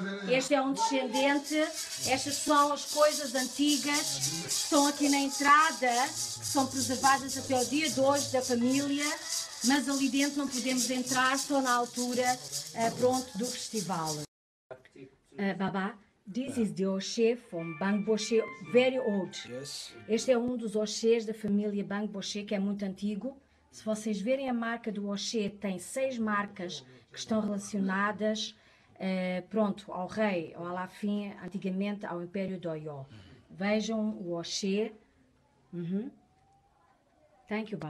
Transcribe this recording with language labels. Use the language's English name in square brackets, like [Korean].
[Portuguese] Este é um descendente, estas são as coisas antigas que estão aqui na entrada, que são preservadas até o dia de hoje da família, mas ali dentro não podemos entrar, só na altura, pronto, do festival. [English] Babá, this is the Oxê from Bang Boxê, very old. [Portuguese] Este é um dos Oxês da família Bang Boxê, que é muito antigo. Se vocês verem a marca do Oxê, tem seis marcas que estão relacionadas, pronto, ao rei, ao Alafim, antigamente ao Império de Oió. Vejam o Oxê. [English] Thank you, Baba.